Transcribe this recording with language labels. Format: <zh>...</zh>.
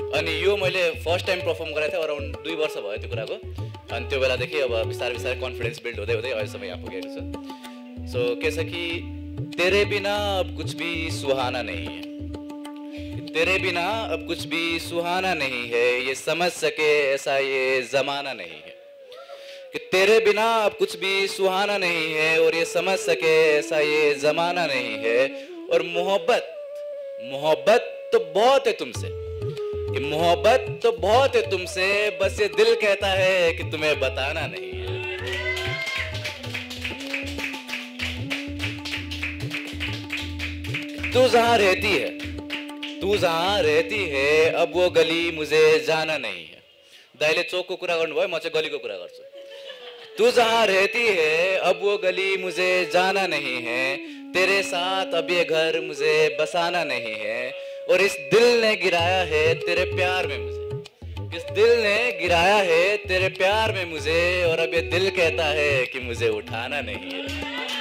<ne>अनि यो मैले फर्स्ट टाइम पर्फर्म गरेको थिएँ, अराउन्ड 2 वर्ष भयो त्यो कुराको। अनि त्यो बेलादेखि अब बिस्तारै बिस्तारै कन्फिडेन्स बिल्ड हुँदै हुँदै अहिलेसम्म यहाँ पुगेको छ। सो के छ</ne> <hi>कि तेरे बिना अब कुछ भी सुहाना नहीं है, तेरे बिना अब कुछ भी सुहाना नहीं है, ये समझ सके ऐसा ये जमाना नहीं है। कि तेरे बिना अब कुछ भी सुहाना नहीं है, और ये समझ सके ऐसा ये जमाना नहीं है। और मोहब्बत, मोहब्बत तो बहुत है तुमसे, मोहब्बत तो बहुत है तुमसे, बस ये दिल कहता है कि तुम्हें बताना नहीं है। तू जहां रहती है, तू जहां रहती है, अब वो गली मुझे जाना नहीं है।</hi> <ne>दाइले चौक को कुरा गर्नु भयो, म चाहिँ गलीको कुरा गर्छु।</ne> <hi>तू जहां रहती है, अब वो गली मुझे जाना नहीं है। तेरे साथ अब ये घर मुझे बसाना नहीं है। और इस दिल ने गिराया है तेरे प्यार में मुझे, इस दिल ने गिराया है तेरे प्यार में मुझे, और अब ये दिल कहता है कि मुझे उठाना नहीं है।</hi>